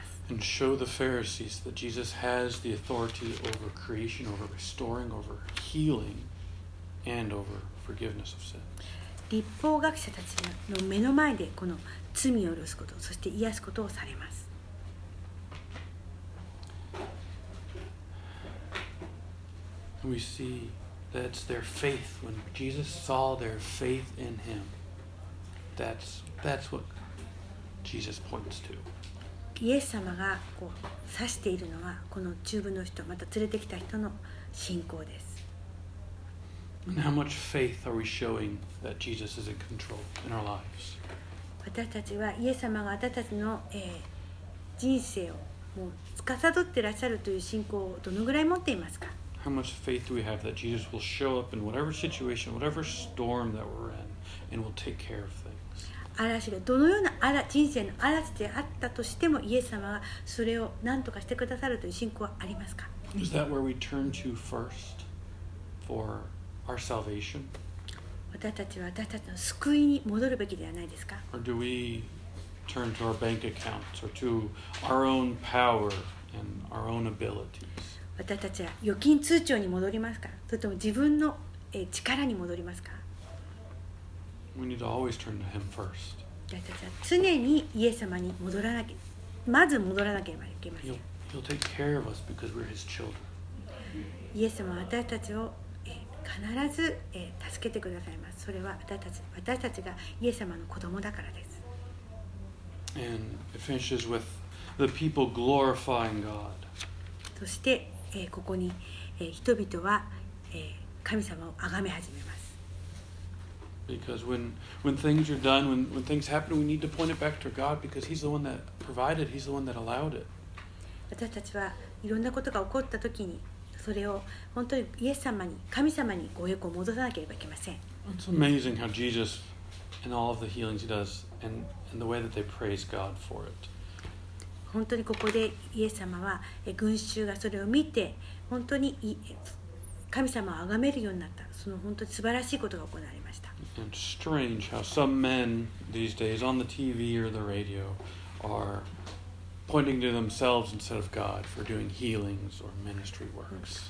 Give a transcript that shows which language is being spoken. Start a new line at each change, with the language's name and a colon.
English: And show the Pharisees that Jesus has the authority over creation, over restoring, over healing, and over forgiveness of sin.
Japanese: 律法学者たちの目の前でこの罪を許すこと、そして癒すことをされます。
English: We see. That's their faith. When Jesus saw their faith in him, that's what Jesus points to.
Japanese: イエス様がこう指しているのはこの中部の人、また連れてきた人の信仰です。
English: And how much faith are we showing that Jesus is in control in our lives?
Japanese: 私たちはイエス様が私たちの、人生をもう司っていらっしゃるという信仰をどのぐらい持っていますか？
English: How much faith do we have that Jesus will show up in whatever situation, whatever storm that we're in, and will take care of things?
Japanese: 嵐がどのような嵐、人生の嵐であったとしても、イエス様はそれを何とかしてくださるという信仰はありますか？
English: Is that where we turn to first for our salvation?
Japanese: 私たちは私たちの救いに戻るべきではないですか？
English: Or do we turn to our bank accounts or to our own power and our own abilities?
Japanese: 私たちは預金通帳に戻りますか、それとも自分の力に戻りますか。
English: We need to always turn to him first.
Japanese: 私たちは常にイエス様に戻らなければ、まず戻らなければいけません。
English: He'll take care of us because we're his children.
Japanese: イエス様は私たちを必ず助けてくださいます。それは私たちがイエス様の子供だからです。
English: And it finishes with the people glorifying God.
Japanese: そしてここに人々は神様を崇め始めます。
English: Because when things are done, when things happen, we need to point it back to God because he's the one that provided, he's the one that allowed it.
Japanese: 私たちはいろんなことが起こった時にそれを本当にイエス様に、神様にご栄光を戻さなければいけません。
English: It's amazing how Jesus and all of the healings he does and the way that they praise God for it.
Japanese: 本当にここでイエス様は群衆がそれを見て本当に神様を崇めるようになった、その本当に素晴らしいことが行われました。
English: It's strange how some men these days on the TV or the radio are pointing to themselves instead of God for doing healings or ministry works.